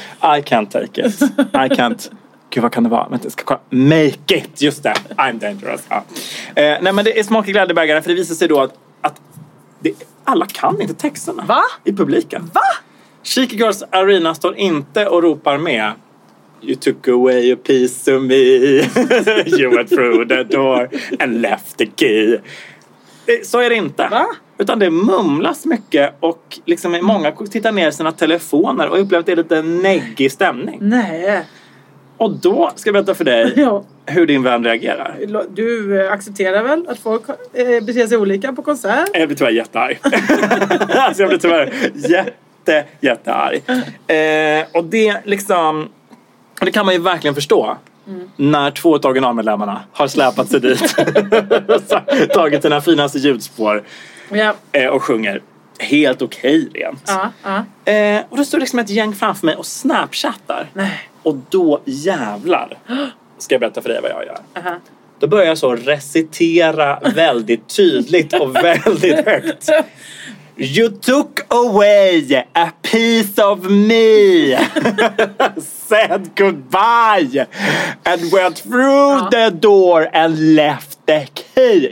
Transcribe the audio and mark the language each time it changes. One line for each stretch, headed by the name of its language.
English: I can't take it. I can't.
Swedish: Gud, vad kan det vara? Vänta, jag ska kolla.
English: Make it.
Swedish: Just det.
English: I'm dangerous.
Swedish: Ja. Nej, men det är smak i glädjebägaren. För det visar sig då att det, alla kan inte texterna. Va? I publiken. Va? Cheeky Girls Arena står inte och ropar med...
English: You took away a piece of me. You went through the door and left the key.
Swedish: Så är det inte. Va? Utan det mumlas mycket och liksom många tittar ner sina telefoner och upplever att det är lite neggig stämning. Nej. Och då ska jag berätta för dig hur din vän reagerar. Du accepterar väl att folk beter sig olika på konsert? Jag blir tyvärr jättearg. Alltså jag blir tyvärr jättearg. Och det liksom... Och det kan man ju verkligen förstå. Mm. När två av originalmedlemmarna har släpat sig dit. Tagit sina finaste ljudspår. Yeah. Och sjunger helt okej rent. Ja. Och då står liksom ett gäng framför mig och snapchattar. Nej. Och då jävlar. Ska jag berätta för dig vad jag gör. Uh-huh. Då börjar jag så recitera väldigt tydligt och väldigt högt.
English: You took away a piece of me, said goodbye, and went through the door and left the key.